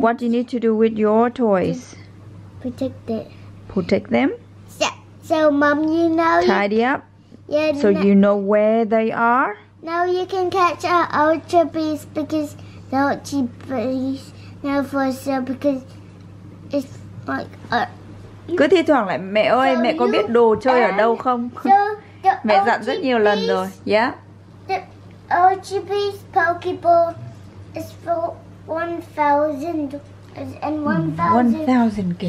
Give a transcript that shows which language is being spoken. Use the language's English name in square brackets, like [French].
[English] What do you need to do with your toys? Protect it. Protect them? Yeah. So, mom, you know. Tidy up? Yeah. So, you know where they are? Now you can catch our ultra beast because the ultra beast now for sale because. It's like [Vietnamese] cứ thi thoảng lại mẹ ơi, so mẹ có biết đồ chơi ở đâu không? [English] So [Vietnamese] mẹ dặn rất nhiều lần rồi. Yeah. [English] The OGP Pokeball is for 1000 and 1000.